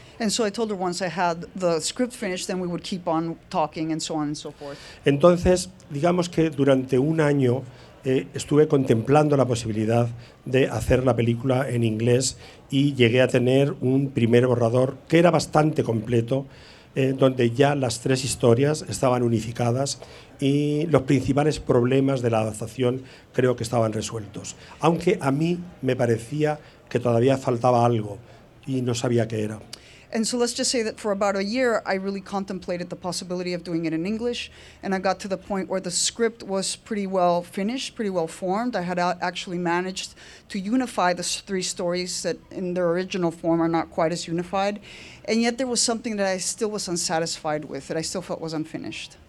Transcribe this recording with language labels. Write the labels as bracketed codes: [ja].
[en] And so I told her once I had the script finished, then we would keep on talking and so on and so forth. [es] Entonces, digamos que durante un año estuve contemplando la posibilidad de hacer la película en inglés y llegué a tener un primer borrador que era bastante completo, donde ya las tres historias estaban unificadas y los principales problemas de la adaptación creo que estaban resueltos. Aunque a mí me parecía que todavía faltaba algo y no sabía qué era. [en] And so let's just say that for about a year I really contemplated the possibility of doing it in English, and I got to the point where the script was pretty well finished, pretty well formed. I had actually managed to unify the three stories that in their original form are not quite as unified, and yet there was something that I still was unsatisfied with, that I still felt was unfinished.